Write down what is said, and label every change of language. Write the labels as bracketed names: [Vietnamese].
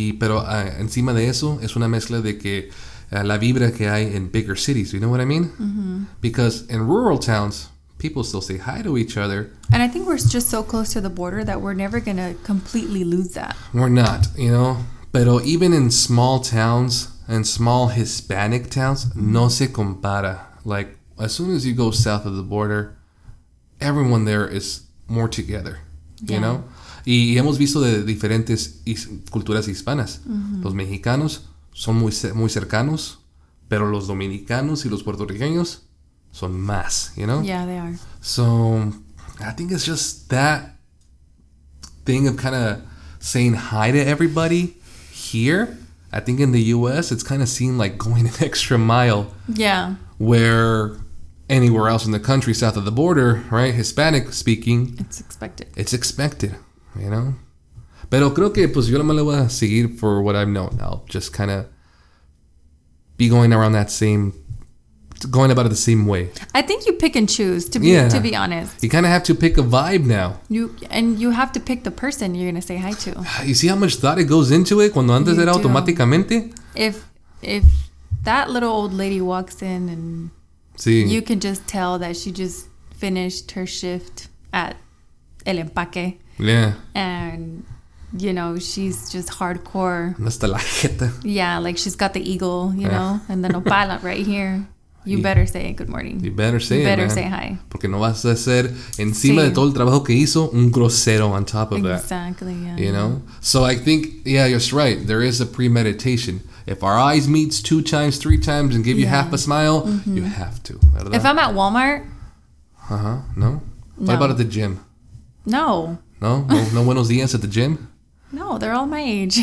[Spanish] Pero encima de eso, es una mezcla de que la vibra que hay [English] in bigger cities. You know what I mean? Mm-hmm. Because in rural towns, people still say hi to each other. And I think we're just so close to the border that we're never going to completely lose that. We're not, you know. Pero even in small towns and small Hispanic towns, [Spanish] no se compara. [English] Like, as soon as you go south of the border, everyone there is more together, you know. [Spanish] Y hemos visto de diferentes culturas hispanas. Mm-hmm. Los mexicanos son muy, muy cercanos, pero los dominicanos y los puertorriqueños... [English] So mass, you know? Yeah, they are. So I think it's just that thing of kind of saying hi to everybody here. I think in the U.S., it's kind of seen like going an extra mile. Yeah. Where anywhere else in the country south of the border, right? Hispanic speaking. It's expected. It's expected, you know? [Spanish] Pero creo que pues yo no me lo voy a seguir [English] for what I've known. I'll just kind of be going around that same... Going about it the same way. I think you pick and choose, to be honest. You kind of have to pick a vibe now. You have to pick the person you're going to say hi to. You see how much thought it goes into it? [Spanish] Cuando antes era automáticamente. [English] If that little old lady walks in and you can just tell that she just finished her shift at El Empaque. Yeah. And, you know, she's just hardcore. [Spanish] Hasta la jeta. [English] Yeah, like she's got the eagle, you know, and the nopal right here. You better say good morning. You better say it, better man. Say hi. [Spanish] Porque no vas a ser encima sí. de todo el trabajo que hizo un grosero [English] on top of exactly, that. Exactly, yeah. You know? So I think, yeah, you're right. There is a premeditation. If our eyes meet two times, three times and give you half a smile, you have to. If I'm at Walmart. No? What about at the gym? No. No? No, [Spanish] no buenos dias [English] at the gym? No, they're all my age.